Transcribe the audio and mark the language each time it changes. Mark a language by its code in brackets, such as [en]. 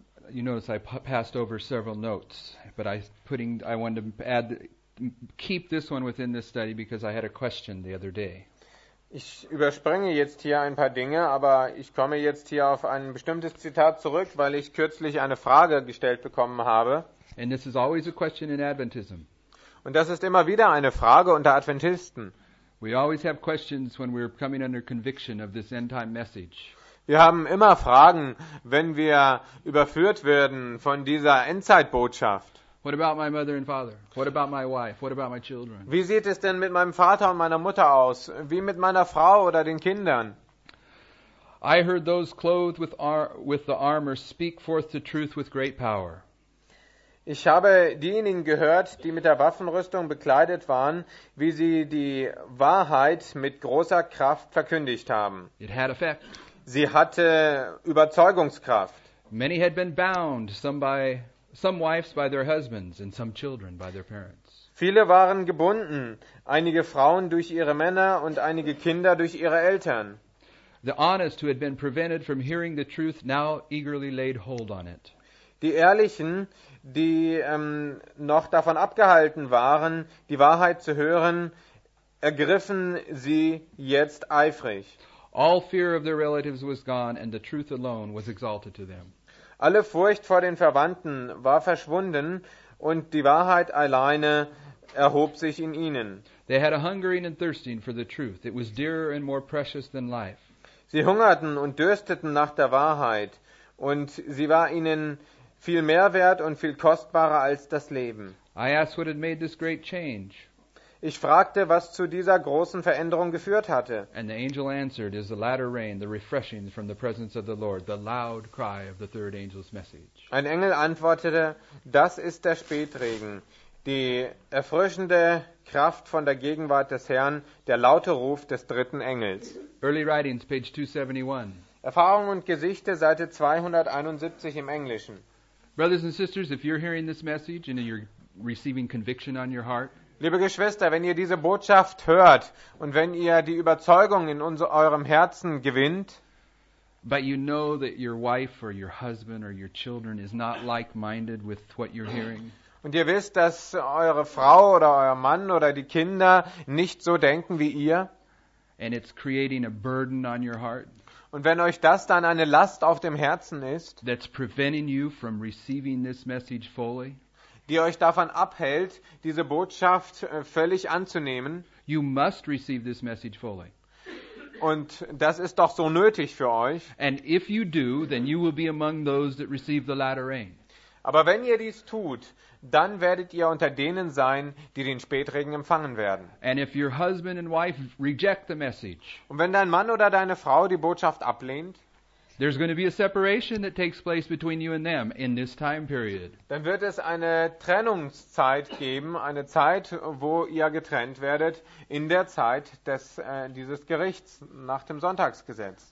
[en] You notice I passed over several notes, but I wanted to add, keep this one within this study because I had a question the other day. [de] Ich überspringe jetzt hier ein paar Dinge, aber ich komme jetzt hier auf ein bestimmtes Zitat zurück, weil ich kürzlich eine Frage gestellt bekommen habe. [en] And this is always a question in Adventism. [de] Und das ist immer wieder eine Frage unter Adventisten. [en] We always have questions when we're coming under conviction of this end-time message. [de] Wir haben immer Fragen, wenn wir überführt werden von dieser Endzeitbotschaft. [en] What about my mother and father? What about my wife? What about my children? [de] Wie sieht es denn mit meinem Vater und meiner Mutter aus? Wie mit meiner Frau oder den Kindern? [en] I heard those clothed with the armor speak forth the truth with great power. [de] Ich habe diejenigen gehört, die mit der Waffenrüstung bekleidet waren, wie sie die Wahrheit mit großer Kraft verkündigt haben. [en] It had effect. [de] Sie hatte Überzeugungskraft. [en] Many had been bound, some wives by their husbands and some children by their parents. [de] Viele waren gebunden, einige Frauen durch ihre Männer und einige Kinder durch ihre Eltern. [en] The honest who had been prevented from hearing the truth now eagerly laid hold on it. [de] Die Ehrlichen, die noch davon abgehalten waren, die Wahrheit zu hören, ergriffen sie jetzt eifrig. [en] All fear of their relatives was gone and the truth alone was exalted to them. [de] Alle Furcht vor den Verwandten war verschwunden und die Wahrheit alleine erhob sich in ihnen. [en] They had a hungering and thirsting for the truth. It was dearer and more precious than life. [de] Sie hungerten und dürsteten nach der Wahrheit und sie war ihnen viel mehr wert und viel kostbarer als das Leben. [en] I asked what had made this great change. [de] Ich fragte, was zu dieser großen Veränderung geführt hatte. [en] And the angel answered, is the latter rain, the refreshing from the presence of the Lord, the loud cry of the third angel's message. [de] Ein Engel antwortete, das ist der Spätregen, die erfrischende Kraft von der Gegenwart des Herrn, der laute Ruf des dritten Engels. [en] Early Writings, page 271. [de] Erfahrung und Gesichte, Seite 271 im Englischen. [en] Brothers and sisters, if you're hearing this message and you're receiving conviction on your heart, [de] liebe Geschwister, wenn ihr diese Botschaft hört und wenn ihr die Überzeugung in eurem Herzen gewinnt, [en] but you know that your wife or your husband or your children is not like-minded with what you're hearing. [de] Und ihr wisst, dass eure Frau oder euer Mann oder die Kinder nicht so denken wie ihr. [en] And it's creating a burden on your heart. [de] Und wenn euch das dann eine Last auf dem Herzen ist, [en] that's preventing you from receiving this message fully, [de] die euch davon abhält, diese Botschaft völlig anzunehmen. [en] You must receive this message fully. [de] Und das ist doch so nötig für euch. [en] And if you do, then you will be among those that receive the latter rain. [de] Aber wenn ihr dies tut, dann werdet ihr unter denen sein, die den Spätregen empfangen werden. [en] And if your husband and wife reject the message, [de] und wenn dein Mann oder deine Frau die Botschaft ablehnt, [en] there's going to be a separation that takes place between you and them in this time period. [de] Dann wird es eine Trennungszeit geben, eine Zeit, wo ihr getrennt werdet in der Zeit dieses Gerichts nach dem Sonntagsgesetz.